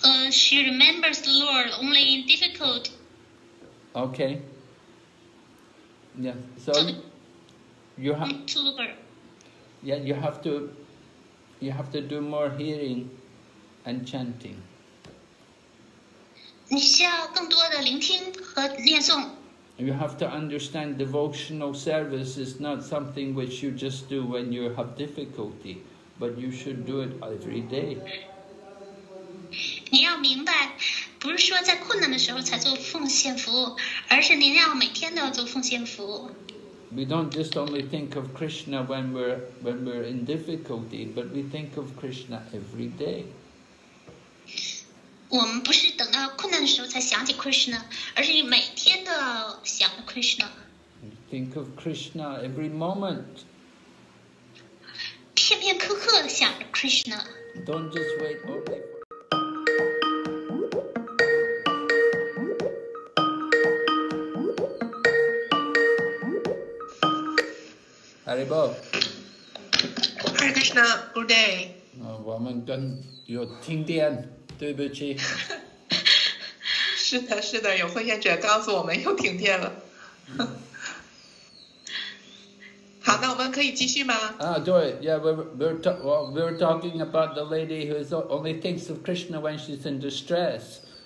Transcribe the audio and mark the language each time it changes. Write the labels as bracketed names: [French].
[English] she remembers the Lord only in difficult. Okay. Yeah, so you have to look her. Yeah, you have to do more hearing and chanting. [Chinese] 你需要更多的聆听和念诵。 [English] You have to understand devotional service is not something which you just do when you have difficulty, but you should do it every day. [Chinese] 您要明白，不是说在困难的时候才做奉献服务，而是您要每天都要做奉献服务。 [English] We don't just only think of Krishna when we're in difficulty, but we think of Krishna every day. [Chinese] 我们不是等到困难的时候才想起 Krishna, 而是每天都要想 Krishna. [English] Think of Krishna every moment. [Chinese] 片片刻刻的想着 Krishna. [English] Don't just wait only. Hare Bol. Hare Krishna, good day. [Chinese] 我们跟有停电，对不起。是的，是的，有奉献者告诉我们又停电了。好，那我们可以继续吗？ [English] 对 ，Yeah, we're talking about the lady who only thinks of Krishna when she's in distress.